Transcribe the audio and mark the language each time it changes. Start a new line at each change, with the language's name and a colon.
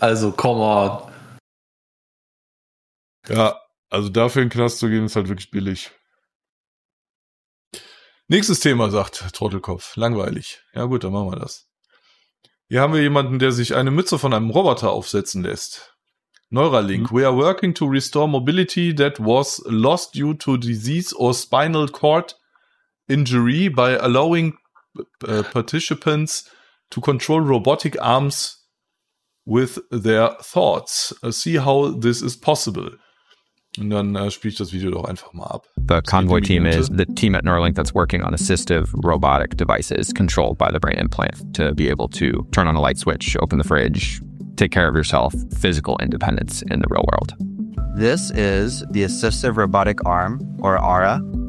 English: Also come on.
German: Ja, also dafür in den Knast zu gehen, ist halt wirklich billig. Nächstes Thema, sagt Trottelkopf. Langweilig. Ja gut, dann machen wir das. Hier haben wir jemanden, der sich eine Mütze von einem Roboter aufsetzen lässt.
English: Neuralink, we are working to restore mobility that was lost due to disease or spinal cord injury by allowing participants to control robotic arms with their thoughts. See how this is possible.
German: Und dann spiele ich das Video doch einfach mal ab.
English: The convoy team is the team at Neuralink that's working on assistive robotic devices controlled by the brain implant to be able to turn on a light switch, open the fridge, take care of yourself, physical independence in the real world. This is the assistive robotic arm, or ARA.